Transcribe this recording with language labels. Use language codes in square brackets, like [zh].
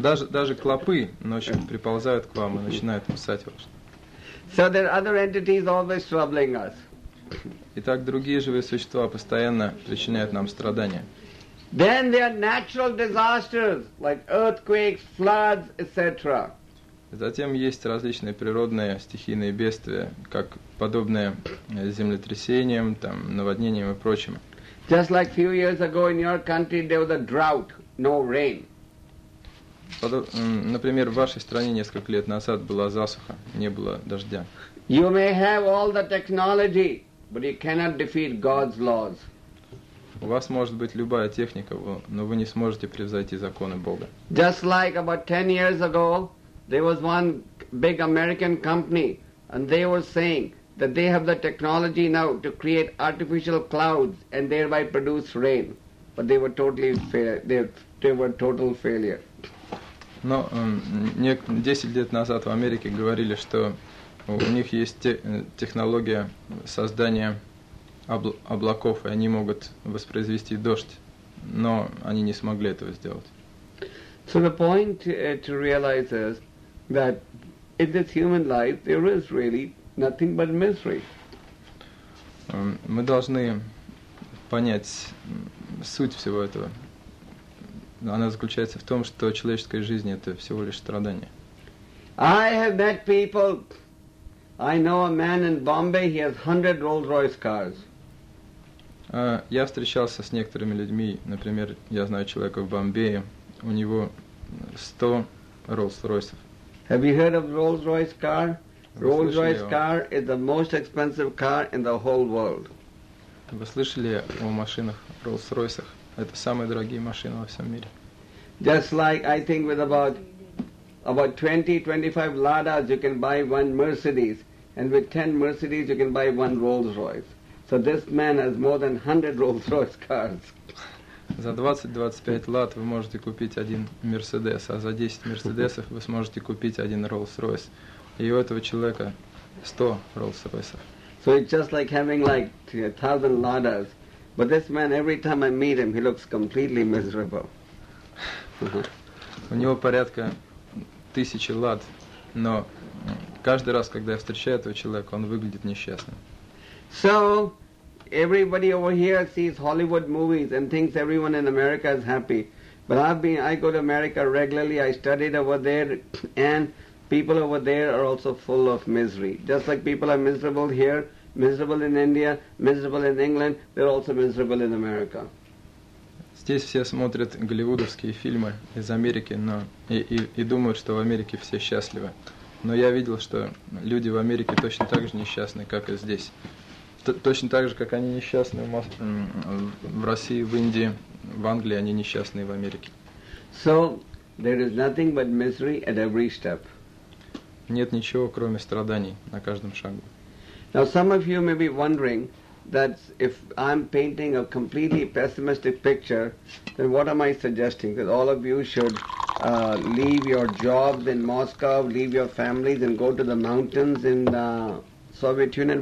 [ru] Даже клопы ночью приползают к вам и начинают кусать вас. [en] So there are other entities always troubling us. [ru] Итак, другие живые существа постоянно причиняют нам страдания. [en] Then there are natural disasters, like earthquakes, floods, etc. [ru] Затем есть различные природные стихийные бедствия, как подобные землетрясениям, там, наводнениям и прочим. [en] Just like few years ago in your country there was a drought, no rain. [ru] Например, в вашей стране несколько лет назад была засуха, не было дождя. [en] You may have all the technology, but you cannot defeat God's laws. [ru] У вас может быть любая техника, но вы не сможете превзойти законы Бога. [en] Just like about 10 years ago, there was one big American company, and they were saying that they have the technology now to create artificial clouds and thereby produce rain, but they were totally total failure. [ru] Но 10 лет назад в Америке говорили, что у них есть технология создания облаков, и они могут воспроизвести дождь, но они не смогли этого сделать. [en] So the point to realize is that in this human life there is really nothing but misery. [ru] Мы должны понять суть всего этого. Она заключается в том, что человеческая жизнь это всего лишь страдание. [en] I have met people. I know a man in Bombay, he has 100 Rolls-Royce cars. [ru] Я встречался с некоторыми людьми, например, я знаю человека в Бомбее, у него 100 Rolls-Royce. [en] Have you heard of Rolls-Royce car? Rolls-Royce car is the most expensive car in the whole world. [ru] Вы слышали о машинах Rolls-Royce? Это самые дорогие машины во всем мире. [en] Just like I think with about 20-25 Ladas you can buy one Mercedes, and with 10 Mercedes you can buy one Rolls-Royce. So this man has more than 100 Rolls-Royce cars. [ru] За 20-25 лад вы можете купить один Мерседес, а за 10 Мерседесов вы сможете купить один Rolls-Royce. И у этого человека 100 Rolls-Royce. [en] So it's just like having like 1,000 Ladas. But this man, every time I meet him, he looks completely miserable. [ru] У него порядка 1000 лад, но каждый раз, когда я встречаю этого человека, он выглядит несчастным. [en] So, everybody over here sees Hollywood movies and thinks everyone in America is happy. But I go to America regularly, I studied over there, and people over there are also full of misery. Just like people are miserable here, miserable in India, miserable in England, they're also miserable in America. [ru] Здесь все смотрят голливудовские фильмы из Америки, но и думают, что в Америке все счастливы. Но я видел, что люди в Америке точно так же несчастны, как и здесь. Точно так же, как они несчастны в России, в Индии, в Англии, они несчастны в Америке. [en] So there is nothing but misery at every step. [ru] Нет ничего, кроме страданий на каждом шагу. [en] Now some of you may be wondering that if I'm painting a completely pessimistic picture, then what am I suggesting? That all of you should leave your jobs in Moscow, leave your families and go to the mountains in the Soviet Union.